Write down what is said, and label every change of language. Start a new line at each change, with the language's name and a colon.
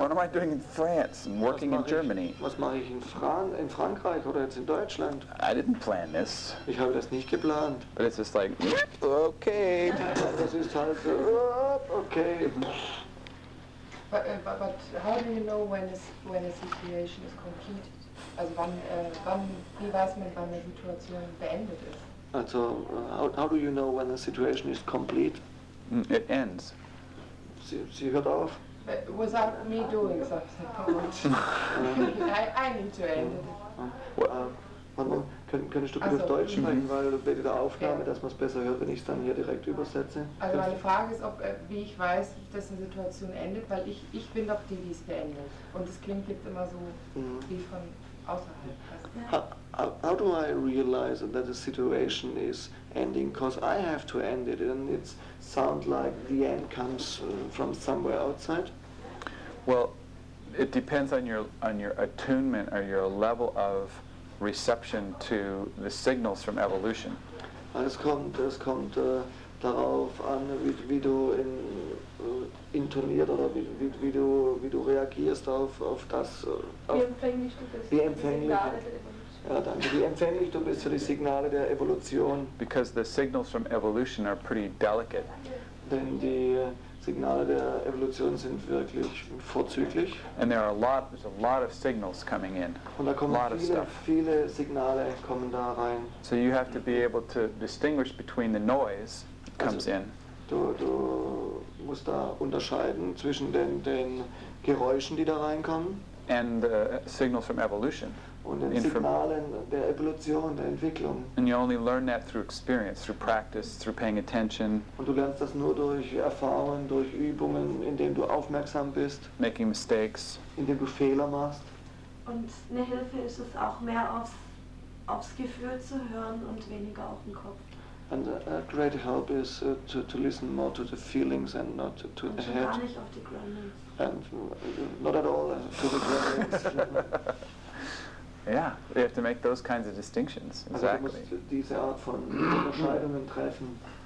English: What am I doing in France and working in Germany?
German: Was mache ich in Frankreich oder jetzt in Deutschland?
English: I didn't plan this.
German: Ich habe das nicht geplant.
English: But it's just like, okay.
German: Das ist halt so, okay.
English: But how do you know when a situation is complete?
German: Also wie weiß man, wann eine Situation beendet ist?
English: Also, how do you know when a situation is complete? It ends.
German: Sie hört auf?
English: Without me doing something. I need to end it.
German: Könntest du bitte auf Deutsch sprechen, weil bei der Aufnahme, dass man es besser hört, wenn ich es dann hier direkt übersetze? Also meine Frage ist, wie ich weiß, dass eine Situation endet, weil ich bin doch die es beendet. Und es klingt jetzt immer so wie von außerhalb.
English: How do I realize that the situation is ending? Because I have to end it, and it sounds like the end comes from somewhere outside. Well, it depends on your attunement or your level of reception to the signals from evolution.
German: Es kommt darauf an, wie du intonierst oder wie du reagierst auf das. Wie empfänglich du bist für die Signale der Evolution.
English: Because the signals from evolution are pretty delicate.
German: Denn die Signale der Evolution sind wirklich vorzüglich.
English: And there are there's a lot of signals coming in.
German: Und da kommen
English: a lot
German: viele Signale kommen da rein.
English: So you have to be able to distinguish between the noise that comes in.
German: Du musst da unterscheiden zwischen den Geräuschen, die da reinkommen.
English: And the signals from evolution.
German: Und den Signalen der Evolution, der Entwicklung.
English: And you only learn that through experience, through practice, through paying attention.
German: Und du lernst das nur durch Erfahrung, durch Übungen, indem du aufmerksam bist.
English: Making mistakes.
German: Indem du Fehler machst. Und eine Hilfe ist es auch mehr aufs Gefühl zu hören und weniger auf den Kopf.
English: And a great help is to listen more to the feelings and not to the head. And not at all to the groanings. Yeah, you have to make those kinds of distinctions. Exactly.
German: Diese Art von Unterscheidungen treffen.